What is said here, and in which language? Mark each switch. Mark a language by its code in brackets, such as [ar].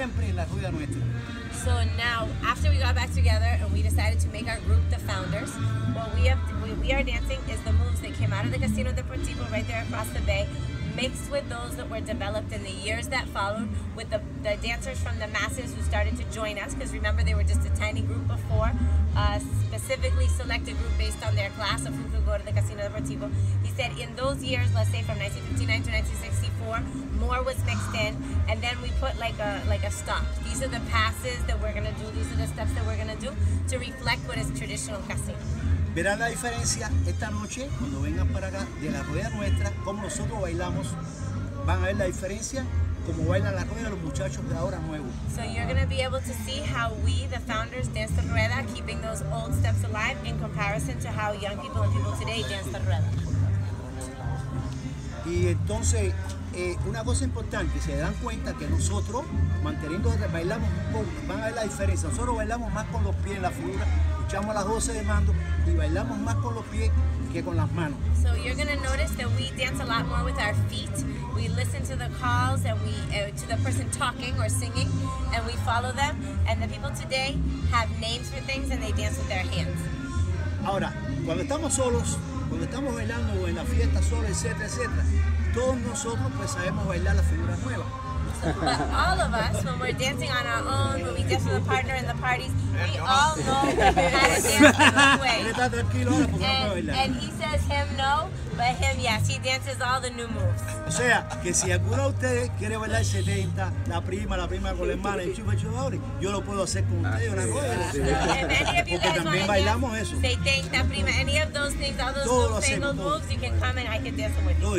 [en] So now, after we got back together and we decided to make our group the founders, what we are dancing is the moves that came out of the Casino Deportivo right there across the bay, mixed with those that were developed in the years that followed with the dancers from the masses who started to join us, because remember they were just a tiny group before, a specifically selected group based on their class of who could go to the Casino Deportivo. He said in those years, let's say from 1959 to 1964, more was mixed in, and then we put like a stop. These are the passes that we're gonna do, these are the steps that we're gonna do to reflect what is traditional casino. [es] Verán la diferencia esta noche cuando vengan para acá de la rueda nuestra, como nosotros bailamos, van a ver la diferencia como bailan la rueda los muchachos de ahora nuevos. [en] So you're going to be able to see how we, the founders, dance the rueda, keeping those old steps alive in comparison to how young people and people today dance the rueda. [es] Y entonces, una cosa importante, se dan cuenta que nosotros, manteniendo, bailamos un poco, van a ver la diferencia, nosotros bailamos más con los pies en la figura, escuchamos las 12 de mando y bailamos más con los pies que con las manos. [en] So you're going to notice that we dance a lot more with our feet, we listen to the calls and to the person talking or singing and we follow them, and the people today have names for things and they dance with their hands. [es] Ahora, cuando estamos solos, cuando estamos bailando en la fiesta solo, etcétera, etcétera, todos nosotros pues sabemos bailar las figuras nuevas. [en] But all of us, when we're dancing on our own, when we dance with a partner in the parties, we all know how to dance the old way. And he says him no, but him yes, he dances all the new moves. [es] O sea, que si alguno de ustedes quiere bailar 70, la prima con la hermana, el chupa chupador, yo lo puedo hacer con ustedes, una cosa. Porque también bailamos eso. [en] Say thank, la prima, any of those things, all those new fangled moves, you can come and I can dance them with you.